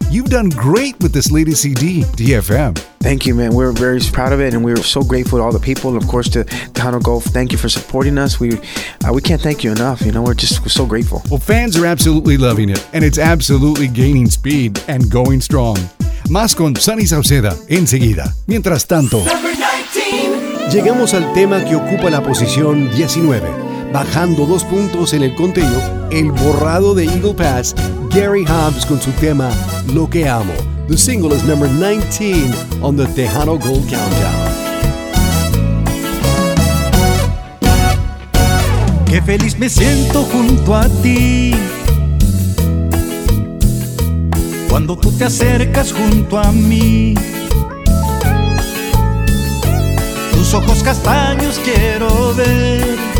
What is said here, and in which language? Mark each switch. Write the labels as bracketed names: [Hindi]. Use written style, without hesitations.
[English] You've done great with this latest CD, DFM. Thank you, man. We're very proud of it, and we're so grateful to all the people, and of course to Tejano Gold. Thank you for supporting us. We can't thank you enough. You know, we're so grateful. Well, fans are absolutely loving it, and it's absolutely gaining speed and going strong. [Spanish] Más con Sonny Salceda enseguida. Mientras tanto, llegamos al tema que ocupa la posición 19, bajando dos puntos en el conteo, el borrado de Eagle Pass, Gary Hobbs con su tema Lo que amo. [English] The single is number 19 on the Tejano Gold Countdown. [Spanish] Qué feliz me siento junto a ti. Cuando tú te acercas junto a mí, tus ojos castaños quiero ver.